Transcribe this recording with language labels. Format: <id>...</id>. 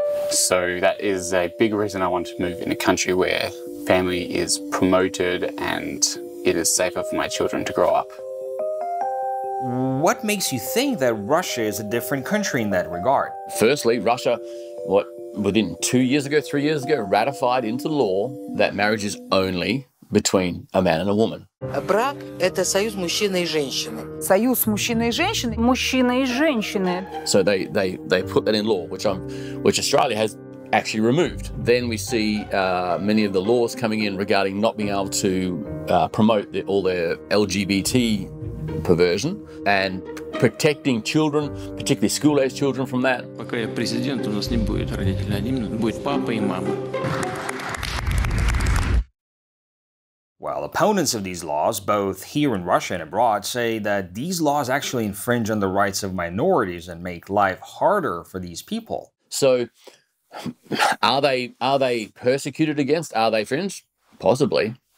<en>So that is a big reason I want to move in a country where family is promoted and it is safer for my children to grow up. What makes you think that Russia is a different country in that regard? Firstly, Russia, within 2 years ago, 3 years ago, ratified into law that marriage is only between a man and a woman.</en> <ru>Брак – это союз мужчины и женщины. Союз мужчины и женщины. Мужчины и женщины.</ru> <en>So they put that in law, which Australia has actually removed. Then we see many of the laws coming in regarding not being able to promote all their LGBT perversion and protecting children, particularly school-aged children, from that.</en> <ru>Пока я президент, у нас не будет родителей, они будут папа и мама.</ru> <en>While opponents of these laws, both here in Russia and abroad, say that these laws actually infringe on the rights of minorities and make life harder for these people. So, are they persecuted against? Are they fringe? Possibly.</en>